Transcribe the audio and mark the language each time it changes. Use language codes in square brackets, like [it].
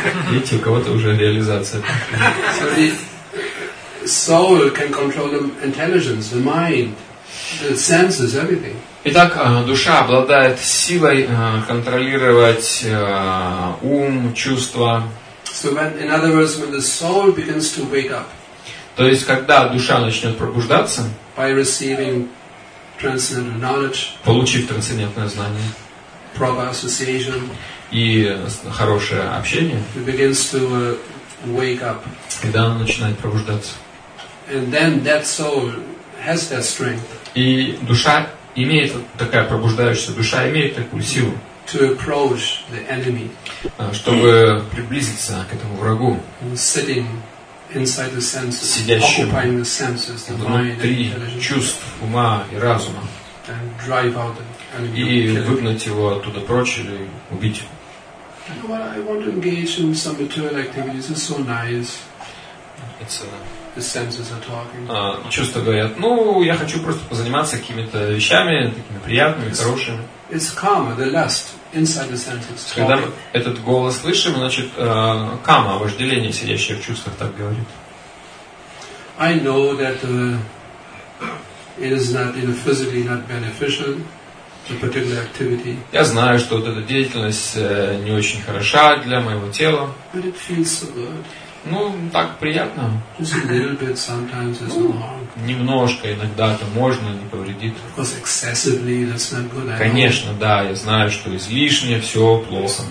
[ru] Видите, у кого-то уже реализация. [en] So the soul can control the intelligence, the mind, the senses, everything. [ru] Итак, душа обладает силой контролировать ум, чувства. [en] So when, in other words, when the soul begins to wake up, [ru] то есть когда душа начнет пробуждаться, [en] by receiving transcendental knowledge, [ru] получив трансцендентное знание, [en] proper association, [ru] и хорошее общение, [en] it begins to wake up, [ru] когда она начинает пробуждаться, [en] and then that soul has that strength, [ru] и душа имеет такая пробуждающаяся душа имеет такую силу. [en] To approach the enemy, [ru] чтобы приблизиться к этому врагу, [en] sitting inside the senses, [ru] сидящим [en] occupying the senses, the [ru] внутри [en] mind, [ru] чувств, ума и разума, [en] and drive out the enemy, [ru] и выгнать его оттуда прочь или убить. [en] Well, I want to engage in some material activities. It's so nice. It's a... The senses are talking. [ru] Чувства говорят, ну, я хочу просто позаниматься какими-то вещами, такими приятными, it's, хорошими. [en] It's karma, the lust inside the senses. [ru] Когда мы этот голос слышим, значит, кама, вожделение, сидящее в чувствах, так говорит. [en] I know that it is not, you know, physically not beneficial, the particular activity. [ru] Я знаю, что вот эта деятельность не очень хороша для моего тела. [en] But it feels so good. [ru] Ну, так приятно. [en] Just a little bit sometimes is [ru] ну, немножко иногда это можно, не повредит. [en] Because excessively that's not good, [ru] конечно, да, я знаю, что излишне все плохо.